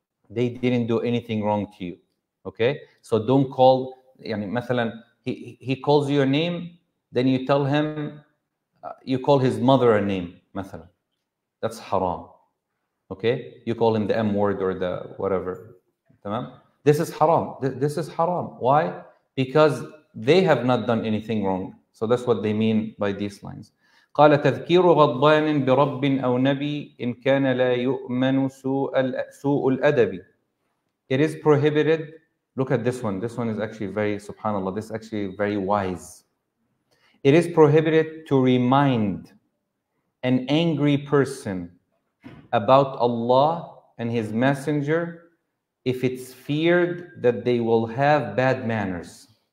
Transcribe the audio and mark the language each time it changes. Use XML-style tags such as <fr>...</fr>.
<en>They didn't do anything wrong to you. Okay? So don't call,</en> <ar>مثلاً,</ar> <en>he calls you a name, then you tell him, you call his mother a name, مثلاً. That's haram. Okay? You call him the M word or the whatever. This is haram. Why? Because they have not done anything wrong. So that's what they mean by these lines.</en> <ar>قال تذكير غضبان برب أو نبي إن كان لا يؤمن سوء الأدب.</ar> <en>It is prohibited. Look at this one. This one is actually very, subhanAllah, this is actually very wise. It is prohibited to remind an angry person about Allah and His Messenger if it's feared that they will have bad manners.</en>